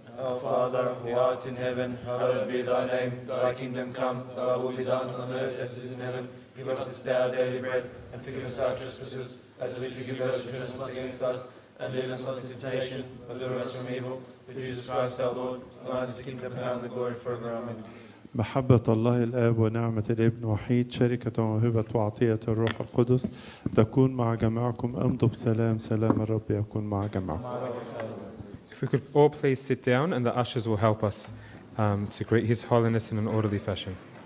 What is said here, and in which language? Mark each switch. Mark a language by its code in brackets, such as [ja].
[en] Our Father, who art in heaven, hallowed be thy name. Thy kingdom come, thy will be done on earth as it is in heaven. Give us this day our daily bread, and forgive us our trespasses, as we forgive those who trespass against us. And lead us not into temptation, but deliver us from evil. Through Jesus Christ our Lord, and thine is the kingdom, and the glory forever. Amen. [ar] محبة الله الآب ونعمة الابن وحيد شركة وموهبة وعطية الروح القدس تكون مع جميعكم امضوا بسلام سلام الرب يكون مع جميعكم. [en] If we could all please sit down and the ushers will help us to greet His Holiness in an orderly fashion.